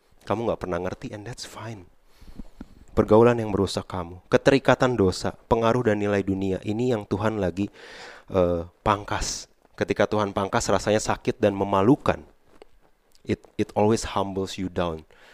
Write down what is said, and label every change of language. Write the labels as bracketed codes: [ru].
[id] Kamu gak pernah ngerti, [en] and that's fine. [id] Pergaulan yang merusak kamu, keterikatan dosa, pengaruh dan nilai dunia, ini yang Tuhan lagi pangkas. Ketika Tuhan pangkas, rasanya sakit dan memalukan. [en] It always humbles you down.